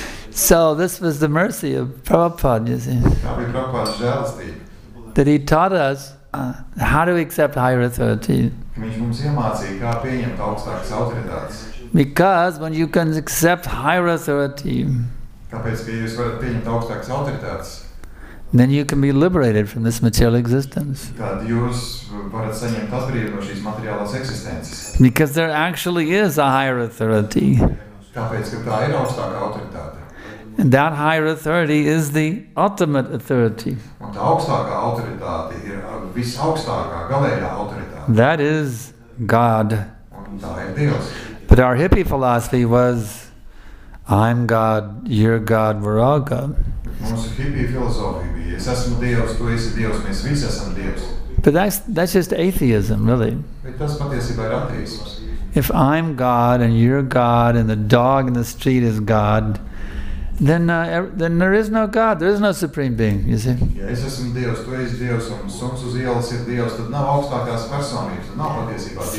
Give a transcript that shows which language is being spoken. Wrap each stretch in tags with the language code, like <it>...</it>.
<en>So this was the mercy of Prabhupada, you see.</en> <lv>Tā bija Prabhupāda žēlistība.</lv> <en>That he taught us how to accept higher authority.</en> <lv>Viņš mums iemācīja, kā pieņemt augstākas autoritātes.</lv> <en>Because when you can accept higher authority,</en> <lv>kāpēc, ka jūs varat pieņemt augstākas autoritātes,</lv> <en>then you can be liberated from this material existence.</en> <lv>Tad jūs varat saņemt atbrīvi no šīs materiālās eksistences.</lv> <en>Because there actually is a higher authority.</en> <lv>Kāpēc, ka tā ir augstāka autoritāte.</lv> <en>And that higher authority is the ultimate authority.</en> <lv>Un tā augstākā autoritāte ir visaugstākā, galējā autoritāte.</lv> <en>That is God.</en> <lv>Un tā ir Dievs.</lv> <en>But our hippie philosophy was, I'm God, you're God, we're all God.</en> <lv>Mūsu hippie filozofija bija, es esmu Dievs, tu esi Dievs, mēs visi esam Dievs.</lv> <en>But that's just atheism, really.</en> <lv>Bet tas patiesībā ir ateisms.</lv> <en>If I'm God and you're God and the dog in the street is God, then there is no God, there is no supreme being, you see.</en> <lv>Ja es esmu Dievs, tu esi Dievs, un sums uz ielas ir Dievs, tad nav augstākās personības, tad nav patiesībā Dievs.</lv>